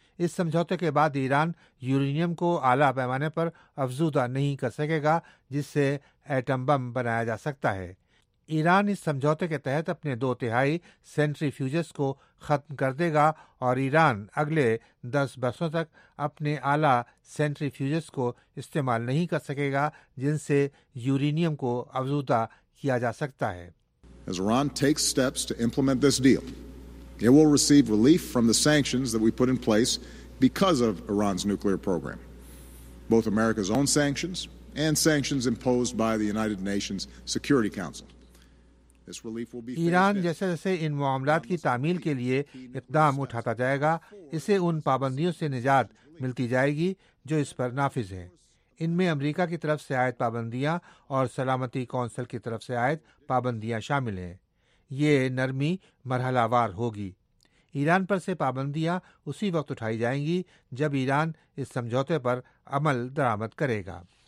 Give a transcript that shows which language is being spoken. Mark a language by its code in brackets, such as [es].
[ur] اس سمجھوتے کے بعد ایران یورینیم کو اعلیٰ پیمانے پر افزودہ نہیں کر سکے گا جس سے ایٹم بم بنایا جا سکتا ہے۔ ایران اس سمجھوتے کے تحت اپنے دو تہائی سینٹری فیوجز کو ختم کر دے گا اور ایران اگلے 10 برسوں تک اپنے اعلیٰ سینٹری فیوجز کو استعمال نہیں کر سکے گا جن سے یورینیم کو افزودہ کیا جا سکتا ہے۔ [en] As Iran takes steps to implement this deal, it will receive relief from the sanctions that we put in place because of Iran's nuclear program. Both America's own sanctions and sanctions imposed by the United Nations Security Council. [ur] Iran جیسے جیسے ان معاملات کی تعمیل کے لیے اقدام اٹھاتا جائے گا اسے ان پابندیوں سے نجات ملتی جائے گی جو اس پر نافذ ہیں۔ ان میں امریکہ کی طرف سے عائد پابندیاں اور سلامتی کونسل کی طرف سے عائد پابندیاں شامل ہیں۔ یہ نرمی مرحلہ وار ہوگی۔ ایران پر سے پابندیاں اسی وقت اٹھائی جائیں گی جب ایران اس سمجھوتے پر عمل درآمد کرے گا۔